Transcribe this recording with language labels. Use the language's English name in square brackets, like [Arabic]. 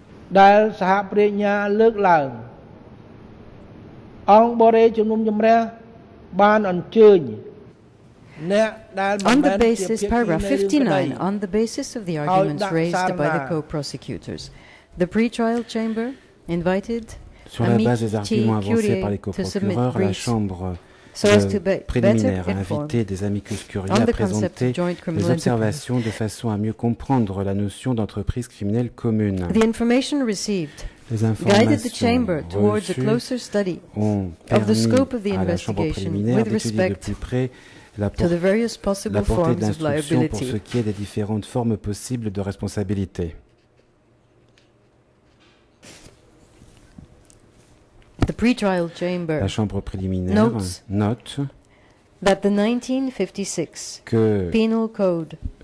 [English] dal saha prajna leuk lang ong bore chumnum chamreah ban anchoeng On the basis, paragraph 59, on the basis of the arguments raised by the co-prosecutors, the pre-trial chamber invited [French] Sur la base des arguments avancés par les co-procureurs, la chambre préliminaire a invité des amicus curiae à présenter les observations de façon à mieux comprendre la notion d'entreprise criminelle commune. [English] The information received Les guided the chamber towards a closer study of the scope of the investigation with respect to the various possible forms of liability. [French] Pour ce qui est des différentes formes possibles de responsabilité. [English] The pre-trial chamber [French] La chambre préliminaire note [English] that the 1956 Penal Code